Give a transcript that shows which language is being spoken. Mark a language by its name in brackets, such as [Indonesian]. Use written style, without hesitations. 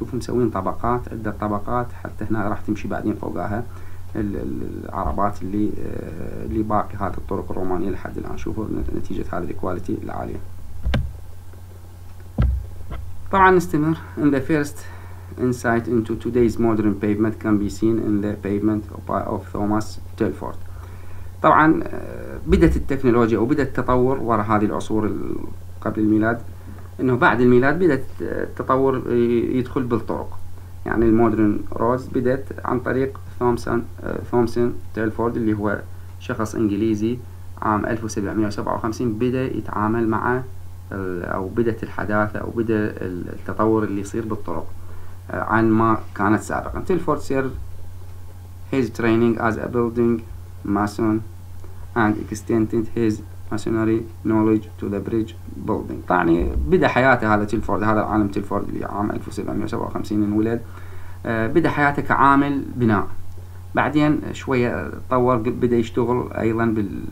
[Arabic] شوف مسوين طبقات، عدة طبقات، حتى هنا راح تمشي بعدين فوقها العربات اللي باقي هذه الطرق الرومانية لحد الآن. شوفوا نتيجة هذه الكواليتي العالية. طبعا نستمر. [English] In the first insight into today's modern pavement can be seen in the pavement of Thomas Telford. [Arabic] طبعا بدأت التكنولوجيا وبدأت التطور وراء هذه العصور قبل الميلاد، انه بعد الميلاد بدأت التطور يدخل بالطرق، يعني [English] المودرن رودز [Arabic] بدأت عن طريق ثومسون تيلفورد اللي هو شخص انجليزي عام 1757 بدأ يتعامل مع او بدأت الحداثة او بدأ التطور اللي يصير بالطرق عن ما كانت سابقا. [English] Telford سير his training as a building mason and extended his masonry knowledge to the bridge building. [Arabic] يعني بدأ حياته هذا تيلفورد، هذا العالم تيلفورد اللي عام 1757 انولد، بدأ حياته كعامل بناء، بعدين شوية تطور بدأ يشتغل أيضا بال